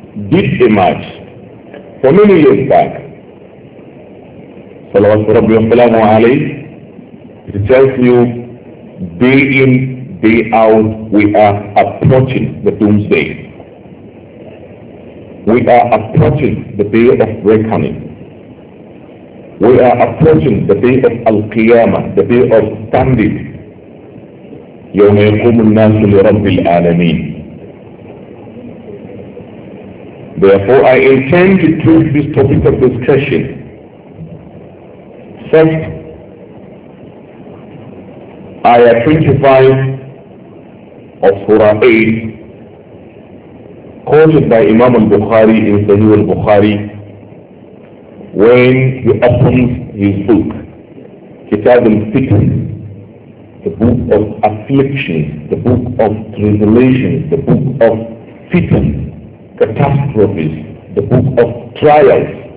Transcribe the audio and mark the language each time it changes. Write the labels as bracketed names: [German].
[English] did a march for many years back. [Arabic] Salawatu Rabbi Wasalamu Alayhi, [English] it tells you day in, day out, we are approaching the doomsday. We are approaching the day of reckoning. We are approaching the day of Al-Qiyamah, the day of standing. [Arabic] يوم يقوم الناس لرب العالمين. [English] Therefore, I intend to treat this topic of discussion. First, Ayah 25 of Surah 8, quoted by Imam al-Bukhari in Sahih al-Bukhari, when he opens his book, Kitab al-Fitn, the book of affliction, the book of tribulation, the book of fitn, catastrophes, the book of trials.